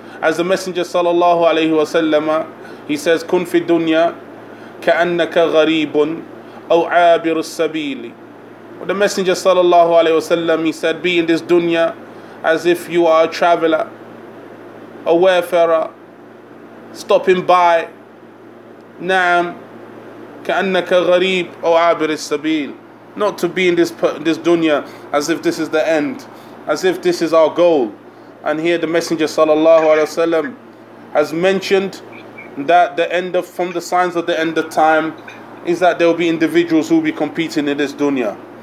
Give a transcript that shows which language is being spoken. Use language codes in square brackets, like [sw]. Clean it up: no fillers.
[en] As the Messenger sallallahu alaihi wasallam, he says, "Kun fi dunya ka'annaka gharibun aw 'abir as-sabil." The Messenger sallallahu alaihi wasallam, he said, "Be in this dunya as if you are a traveler, a wayfarer, stopping by." [ar] Naam. كَأَنَّكَ غَرِيبٌ أَوْ عَابِرِ السَّبِيلِ. [en] Not to be in this dunya as if this is the end, as if this is our goal. And here the Messenger sallallahu alaihi wasallam has mentioned that the end of, from the signs of the end of time, is that there will be individuals who will be competing in this dunya.